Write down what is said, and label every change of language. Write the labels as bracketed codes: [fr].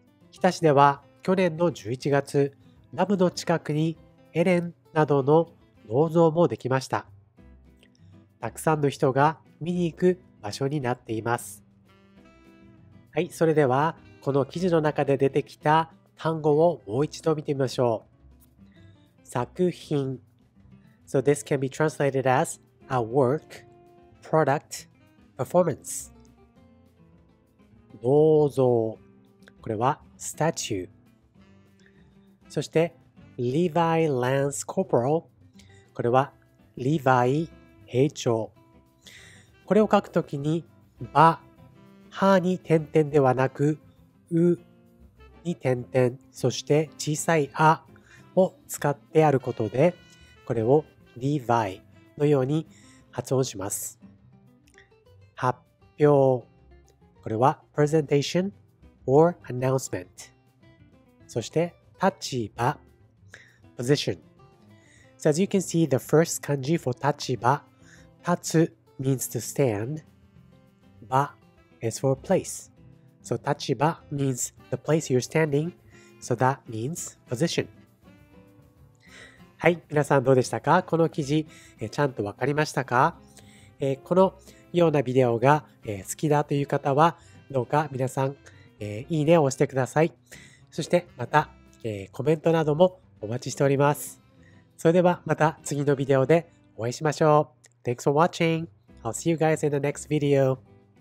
[ja] 日田市では去年の11月、ダムの近くにエレンなどの銅像もできました。たくさんの人が見に行く場所になっています。はい、それではこの記事の中で出てきた単語をもう一度見てみましょう。作品。 [en] So this can be translated as a work, product, performance. [ja] 銅像。これは statue。そして Levi Lance Corporal。これはリヴァイ兵長。これを書くときに、ば、はに点々ではなく、うに点々、そして小さいあを使ってあることで、これをリヴァイのように発音します。発表。これは [en] presentation or announcement。 [ja] そして立場。position。 [en] So as you can see, the first kanji for tachiba, tatsu means to stand, ba is for place. So tachiba means the place you're standing, so that means position. [ja] はい、皆さんどうでしたか？この記事、ちゃんとわかりましたか？このようなビデオが、好きだという方は、どうか皆さん、いいねを押してください。そしてまた、コメントなどもお待ちしております。それではまた次のビデオでお会いしましょう。 [en] Thanks for watching. I'll see you guys in the next video.